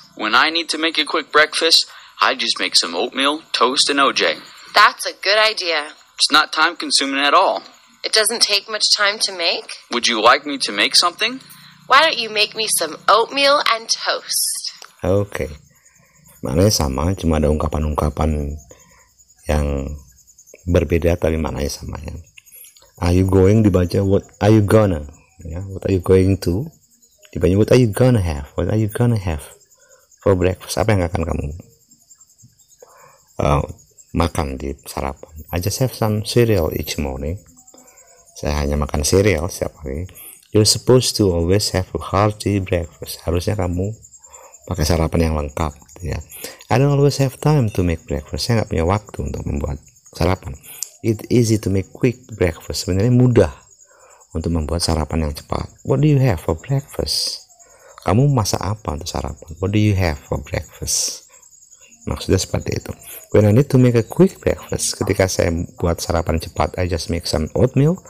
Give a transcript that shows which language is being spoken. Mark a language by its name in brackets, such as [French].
[English] When I need to make a quick breakfast, I just make some oatmeal, toast, and OJ. That's a good idea. It's not time consuming at all. It doesn't take much time to make. Would you like me to make something? Why don't you make me some oatmeal and toast? Okay. [Indonesian] Maknanya sama, cuma ada ungkapan-ungkapan yang berbeda, tapi maknanya sama. Ya. [English] Are you going [Indonesian] dibaca, [English] what are you gonna? [Indonesian] Ya, [English] what are you going to? [Indonesian] Dibaca, [English] what are you gonna have? What are you gonna have for breakfast? [Indonesian] Apa yang akan kamu makan di sarapan? [English] I just have some cereal each morning. [Indonesian] Saya hanya makan cereal setiap hari. [English] You're supposed to always have a hearty breakfast. [Indonesian] Harusnya kamu pakai sarapan yang lengkap. Ya. [English] I don't always have time to make breakfast. [Indonesian] Saya nggak punya waktu untuk membuat sarapan. [English] It's easy to make quick breakfast. [Indonesian] Sebenarnya mudah untuk membuat sarapan yang cepat. [English] What do you have for breakfast? [Indonesian] Kamu masak apa untuk sarapan? [English] What do you have for breakfast? [Indonesian] Maksudnya seperti itu. [English] When I need to make a quick breakfast, [Indonesian] ketika saya buat sarapan cepat, [English] I just make some oatmeal.